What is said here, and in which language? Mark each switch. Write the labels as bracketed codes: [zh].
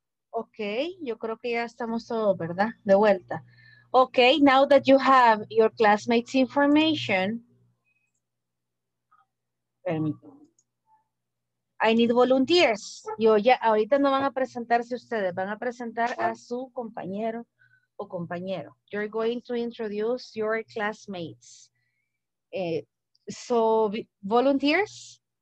[es] Okay, yo creo que ya estamos todos, ¿verdad? De vuelta. [en] Okay, now that you have your classmates' information, [es] permítanme. [en] I need volunteers. [es] Yo ya, ahorita no van a presentarse ustedes, van a presentar a su compañero o compañero. [en] You're going to introduce your classmates. So, volunteers?